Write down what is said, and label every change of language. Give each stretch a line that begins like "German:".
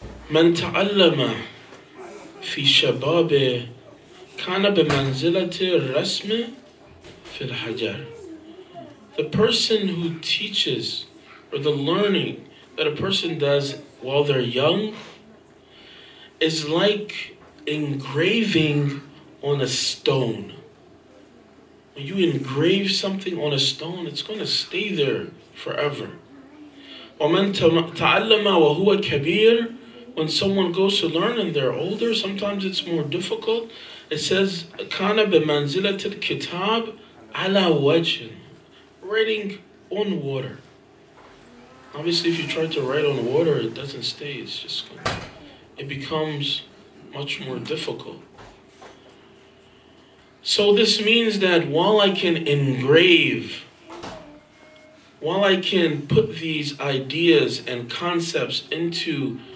Arabic: من تعلم في شبابه كان بمنزلة الرسم في الحجر.
English: The person who teaches, or the learning that a person does while they're young, is like engraving on a stone. When you engrave something on a stone, it's going to stay there forever.
Arabic: وَمَنْ تَعَلَّمَ وَهُوَ كَبِيرٌ.
English: When someone goes to learn and they're older, sometimes it's more difficult. It says,
Arabic: كَانَ بِمَنْزِلَةِ الْكِتَابِ عَلَى وَجْهٍ.
English: Writing on water. Obviously, if you try to write on water, it doesn't stay. It's just going to, it becomes much more difficult. So this means that while I can engrave, while I can put these ideas and concepts into